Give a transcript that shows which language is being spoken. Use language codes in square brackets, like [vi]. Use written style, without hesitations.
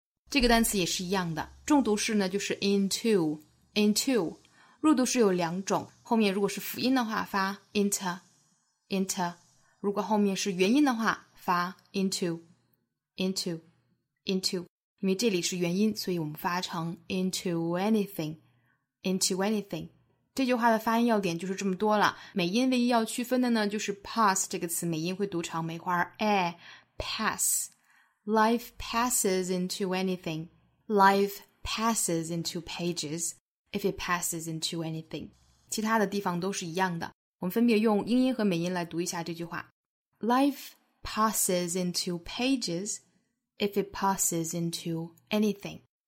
[zh] 这个单词也是一样的，重读式呢就是 into into， 弱读式有两种，后面如果是辅音的话发 into into， 如果后面是元音的话发 into into into。因为这里是元音，所以我们发成 into anything into anything。这句话的发音要点就是这么多了，美音唯一要区分的呢就是 pass 这个词，美音会读成梅花 a pass。 [en] Life passes into anything， Life passes into pages if it passes into anything。 [zh] 其他的地方都是一样的，我们分别用英音和美音来读一下这句话。 [en] Life passes into pages if it passes into anything。